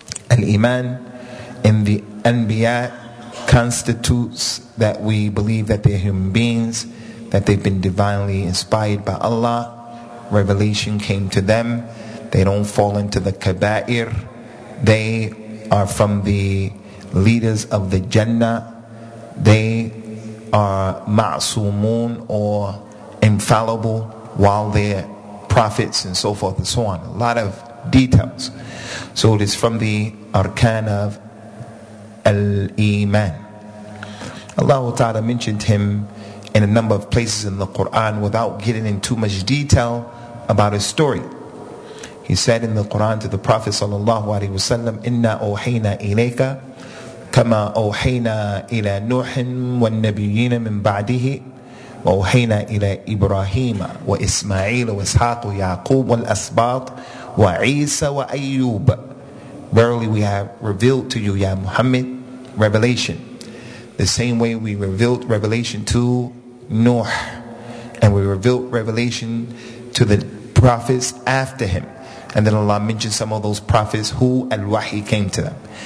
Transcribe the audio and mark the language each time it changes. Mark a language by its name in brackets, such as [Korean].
[English] Al-Iman in the Anbiya constitutes that we believe that they're human beings, that they've been divinely inspired by Allah, revelation came to them, they don't fall into the kaba'ir, they are from the leaders of the Jannah, they are ma'sumun or infallible while they're prophets and so forth and so on. A lot of details. So it is from the arkan of al-Iman. Allah Ta'ala mentioned him in a number of places in the Quran without getting in too much detail about his story. He said in the Quran to the Prophet [Arabic] sallallahu alaihi wasallam, inna ohayna ilayka كما أوحينا إلى نوح والنبيين من بعده وأوحينا إلى إبراهيم وإسماعيل وإسحاق ويعقوب والأسباط وعيسى وأيوب. [English] Verily we have revealed to you, Ya Muhammad, revelation. The same way we revealed revelation to Nuh, and we revealed revelation to the prophets after him. And then Allah mentioned some of those prophets who al-Wahi came to them.